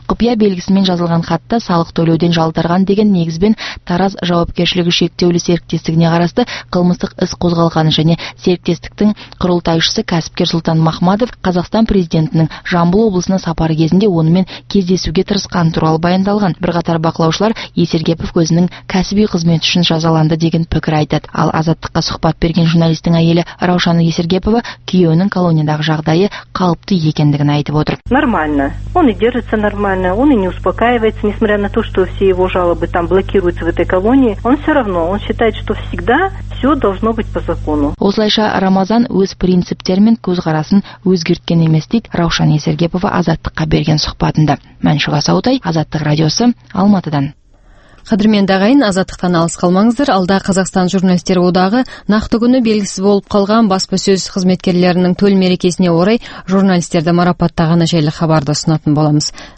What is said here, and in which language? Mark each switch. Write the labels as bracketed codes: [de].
[kk] Құпия белгісімен жазылған хатта салық төлеуден жалтарған деген негізбен Тараз жауапкершілігі шектеулі серіктестігі қарасты қылмыстық іс қозғалғаны және серіктестіктің құрылтайшысы кәсіпкер Сұлтан Махмадов Қазақстан президентінің Жамбыл облысына сапары кезінде онымен кездесуге тырысқан туралы баяндалған. Бірқатар бақылаушылар Есіргепов өзінің кәсіби қызметі үшін жазаланды деген пікір айтады. Ал Азаттыққа сұхбат берген журналистің әйелі Раушан Есіргепова күйеуінің колониядағы жағдайы қалыпты екендігін айтып отыр. [ru] Нормально. Он и держится нормально, он и не успокаивается, несмотря на то, что все его жалобы там блокируются в этой колонии. Он всё равно, он считает, что всегда все должно быть по закону. [kk] Осылайша Рамазан өз принциптерімен көзқарасын өзгерткен емес, дейді Раушан Есіргепова Азаттыққа берген сұхбатында. Мәншүк Асаутай, Азаттық радиосы, Алматыдан. Қадірменді ағайын, Азаттықтан алыс қалмаңыздар. Алда Қазақстан журналистер одағы нақты күні белгісіз болып қалған баспасөз қызметкерлерінің төл мерекесіне орай журналистерді марапаттағаны жайлы хабарды ұсынатын боламыз.